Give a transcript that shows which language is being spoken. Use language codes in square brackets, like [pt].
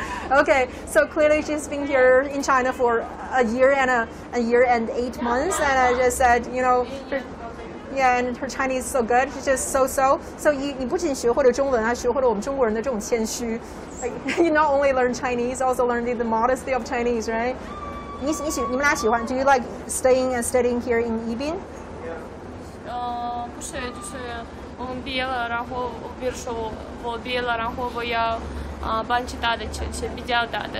[en] Okay, so clearly she's been here in China for a year and a year and 8 months, and I just said, you know, and her Chinese is so good. She's just so. So you [zh] 不仅学会了中文，还学会了我们中国人的这种谦虚。 [en] Like, you not only learn Chinese, also learn the modesty of Chinese, right? [zh] 你们俩喜欢 [en] ？Do you like staying and studying here in Yibin? Yeah. [zh] 不是，就是我们毕业了，然后比如说我毕业了，然后我要搬去大的城市，比较大的。